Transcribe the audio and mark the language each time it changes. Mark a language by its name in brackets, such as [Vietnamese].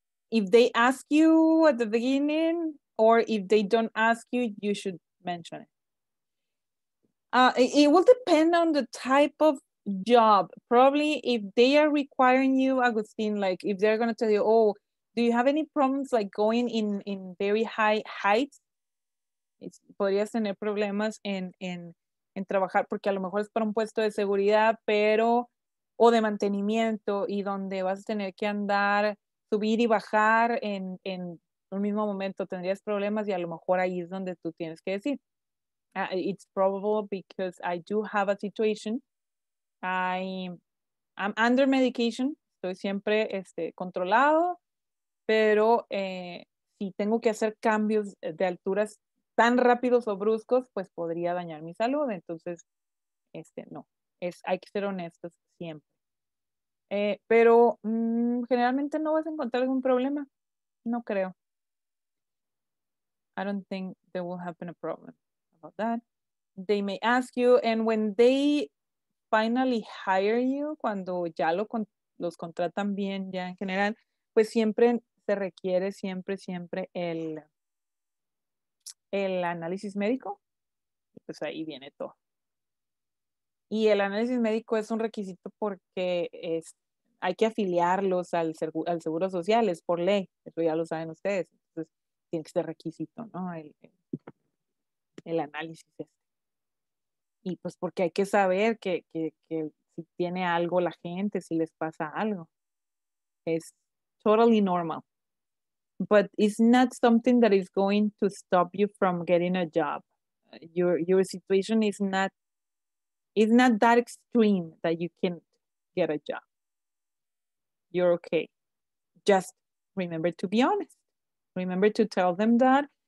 [English] If they ask you at the beginning or if they don't ask you, you should mention it. It will depend on the type of job. Probably if they are requiring you, Agustin, like if they're gonna tell you, oh, do you have any problems like going in very high heights? [Spanish] It's, podrías tener problemas en trabajar porque a lo mejor es para un puesto de seguridad, pero o de mantenimiento y donde vas a tener que andar, subir y bajar en un mismo momento. Tendrías problemas y a lo mejor ahí es donde tú tienes que decir. [English] It's probable because I do have a situation. I'm under medication. [Spanish] Estoy siempre controlado. Pero si tengo que hacer cambios de alturas tan rápidos o bruscos, pues podría dañar mi salud. Entonces, no. Hay que ser honestos siempre. Pero generalmente no vas a encontrar algún problema. No creo. [English] I don't think there will happen a problem about that. They may ask you, and when they finally hire you, [Spanish] cuando ya los contratan bien ya en general, pues siempre requiere siempre el análisis médico, pues ahí viene todo. Y el análisis médico es un requisito porque hay que afiliarlos al seguro social, es por ley, eso ya lo saben ustedes, entonces tiene que ser requisito, ¿no? El análisis. Y pues porque hay que saber que si tiene algo la gente, si les pasa algo. [English] Es totally normal. But it's not something that is going to stop you from getting a job. Your situation is not that extreme that you can get a job. You're okay. Just remember to be honest. Remember to tell them that.